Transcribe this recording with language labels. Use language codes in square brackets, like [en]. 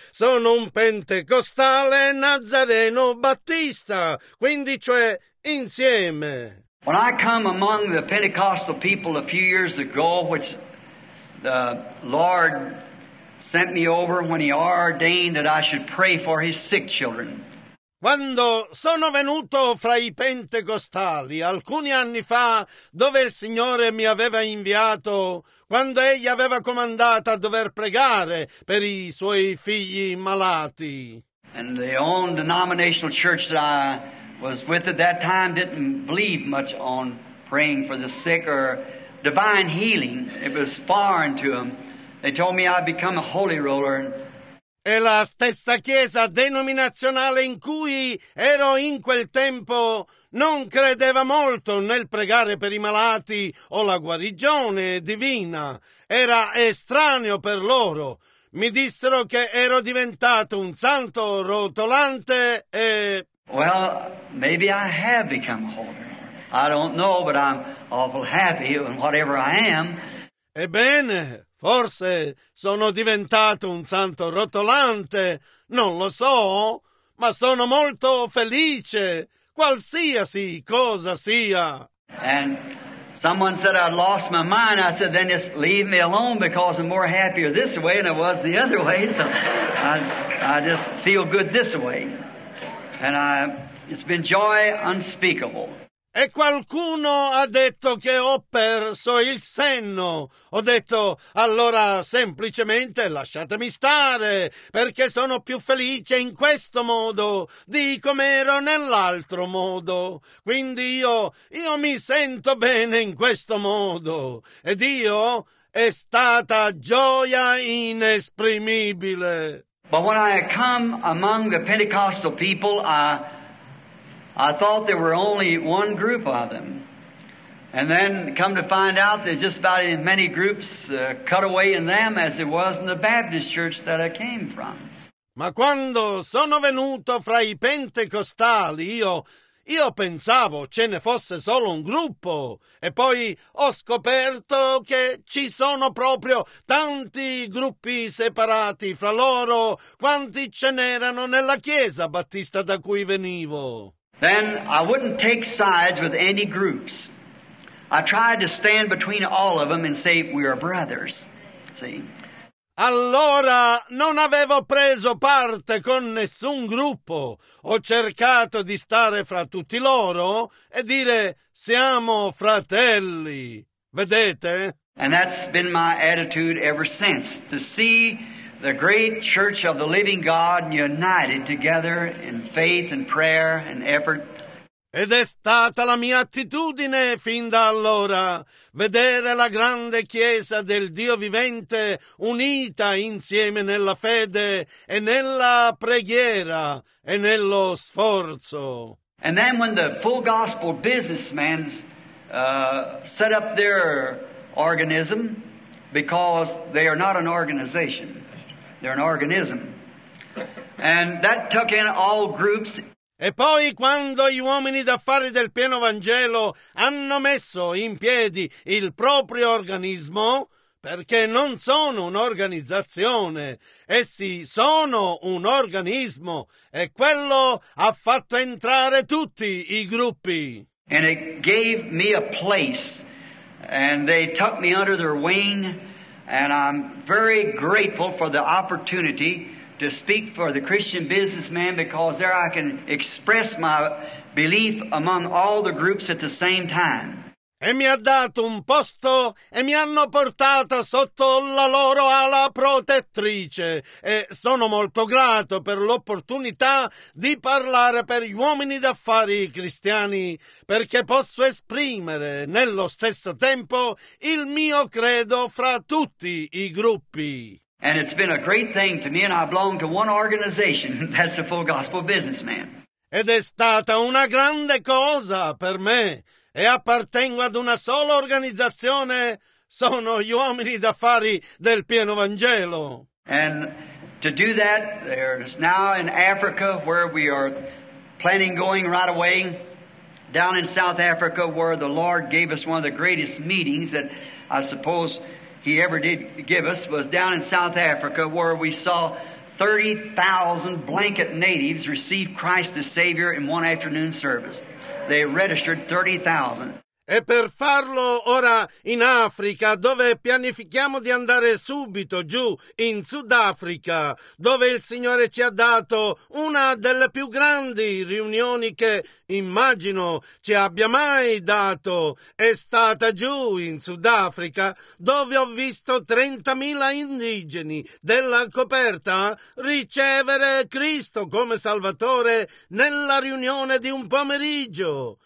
[it] Sono un Pentecostale Nazareno Battista. Quindi, cioè, insieme. [en] When I come among the Pentecostal people a few years ago, which the Lord sent me over when he ordained that I should pray for his sick children. [it] Quando sono venuto fra i pentecostali alcuni anni fa, dove il Signore mi aveva inviato, quando egli aveva comandato a dover pregare per i suoi figli malati. [en] And the own denominational church that I was with at that time didn't believe much on praying for the sick or divine healing. It was foreign to them. They told me I'd become a holy roller. [it] E la stessa chiesa denominazionale in cui ero in quel tempo non credeva molto nel pregare per i malati o la guarigione divina. Era estraneo per loro. Mi dissero che ero diventato un santo rotolante e... [en] Well, maybe I have become holy. I don't know, but I'm awful happy in whatever I am. [it] Ebbene... Forse sono diventato un santo rotolante, non lo so, ma sono molto felice, qualsiasi cosa sia. [en] And someone said I lost my mind. I said, then just leave me alone because I'm more happier this way than I was the other way. So I just feel good this way. And it's been joy unspeakable. [it] E qualcuno ha detto che ho perso il senno. Ho detto, allora semplicemente lasciatemi stare, perché sono più felice in questo modo di com'ero nell'altro modo. Quindi io mi sento bene in questo modo. Ed io è stata gioia inesprimibile. [en] But when I come among the Pentecostal people, I thought there were only one group of them. And then come to find out there's just about as many groups cut away in them as it was in the Baptist church that I came from. [it] Ma quando sono venuto fra i pentecostali, io pensavo ce ne fosse solo un gruppo. E poi ho scoperto che ci sono proprio tanti gruppi separati fra loro, quanti ce n'erano nella chiesa battista da cui venivo. [en] Then I wouldn't take sides with any groups. I tried to stand between all of them and say, we are brothers. See? [it] Allora non avevo preso parte con nessun gruppo. Ho cercato di stare fra tutti loro e dire, siamo fratelli. Vedete? [en] And that's been my attitude ever since. To see the great church of the living God united together in faith and prayer and effort. [it] Ed è stata la mia attitudine fin da allora, vedere la grande chiesa del Dio vivente unita insieme nella fede e nella preghiera e nello sforzo. [en] And then when the full gospel businessmen set up their organism, because they are not an organization, they're an organism, and that took in all groups. [it] E poi quando gli uomini d'affari del pieno Vangelo hanno messo in piedi il proprio organismo, perché non sono un'organizzazione, essi sono un organismo, e quello ha fatto entrare tutti i gruppi. [en] And it gave me a place, and they took me under their wing, and I'm very grateful for the opportunity to speak for the Christian businessman, because there I can express my belief among all the groups at the same time. [it] E mi ha dato un posto e mi hanno portata sotto la loro ala protettrice, e sono molto grato per l'opportunità di parlare per gli uomini d'affari cristiani, perché posso esprimere nello stesso tempo il mio credo fra tutti i gruppi. [en] And it's been a great thing to me, and I belong to one organization, that's the Full Gospel Businessman. [it] Ed è stata una grande cosa per me, e appartengo ad una sola organizzazione, sono gli uomini d'affari del pieno Vangelo. [en] And to do that, there's now in Africa where we are planning going right away, down in South Africa where the Lord gave us one of the greatest meetings that I suppose He ever did give us, was down in South Africa where we saw 30,000 blanket natives receive Christ as Savior in one afternoon service. They registered 30,000. [it] E per farlo ora in Africa, dove pianifichiamo di andare subito giù in Sudafrica, dove il Signore ci ha dato una delle più grandi riunioni che immagino ci abbia mai dato, è stata giù in Sudafrica, dove ho visto 30,000 indigeni della coperta ricevere Cristo come Salvatore nella riunione di un pomeriggio.